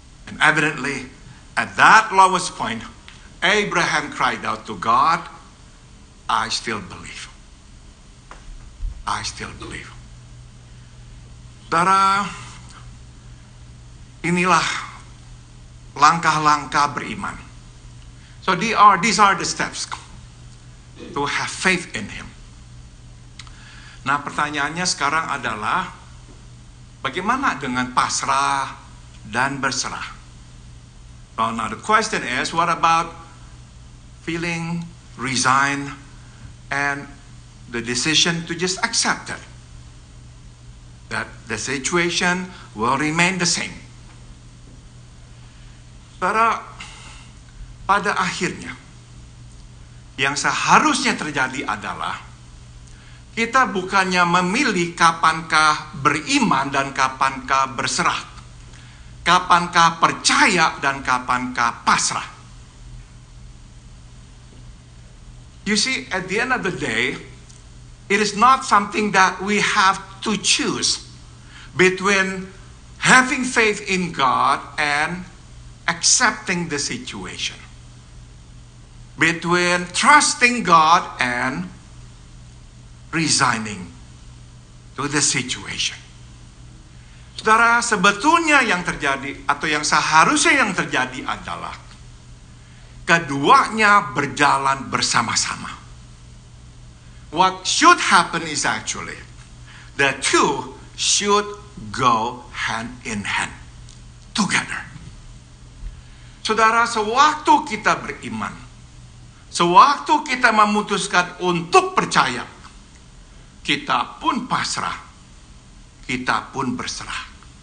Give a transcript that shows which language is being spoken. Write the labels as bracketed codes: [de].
[en] And evidently, at that lowest point, Abraham cried out to God, I still believe. I still believe. [id] Saudara, inilah langkah-langkah beriman. [en] So these are the steps to have faith in him. [id] Nah, pertanyaannya sekarang adalah, bagaimana dengan pasrah dan berserah? [en] Well, now the question is, what about feeling resigned and the decision to just accept it? That the situation will remain the same. [id] Para pada akhirnya, yang seharusnya terjadi adalah, kita bukannya memilih kapankah beriman dan kapankah berserah, kapankah percaya dan kapankah pasrah. [en] You see, at the end of the day, it is not something that we have to choose between having faith in God and accepting the situation, between trusting God and resigning to the situation. [id] Saudara, sebetulnya yang terjadi atau yang seharusnya yang terjadi adalah keduanya berjalan bersama-sama. [en] What should happen is actually the two should go hand in hand together. [id] Saudara, sewaktu kita beriman, sewaktu kita memutuskan untuk percaya, kita pun pasrah, kita pun berserah.